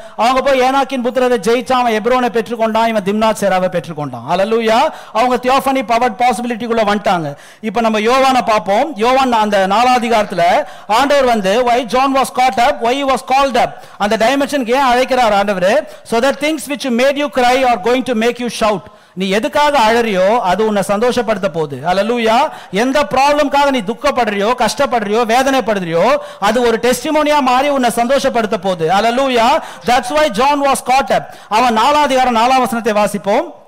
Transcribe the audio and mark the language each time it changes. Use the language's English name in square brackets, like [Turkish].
[Tamil] அவங்க போய் ஏனாக்கின் புத்திரதை ஜெயிச்சாம் எப்ரோனை பெற்றுக்கொண்டா, இவன் திம்னாசேராவை பெற்றுக்கொண்டா. Hallelujah. அவங்க தியோபனி பவர் பாசிபிலிட்டிக்குள்ள வந்தாங்க. இப்ப நம்ம யோவானை பாப்போம். யோவான் அந்த நாலாதிகாரத்துல ஆண்டவர் வந்து, [English] why John was caught up, why he was called up. [Tamil] அந்த டைமென்ஷன் ஏன் அழைக்கிறார் ஆண்டவர்? [English] So that things which made you cry are going to make you shout. [Tamil] நீ எதுக்காக அழறியோ அது உன்னை சந்தோஷப்படுத்த போகுது. அல்லேலூயா. எந்த ப்ராப்ளம்காக நீ துக்கப்படுறியோ, கஷ்டப்படுறியோ, வேதனைப்படுறியோ, அது ஒரு டெஸ்டிமோனியா மாறி உன்னை சந்தோஷப்படுத்த போகுது. அல்லேலூயா. [English] That's why John was caught up. [Tamil] அவன் நாலாவதிகாரம் நாலாம் வசனத்தை வாசிப்போம்.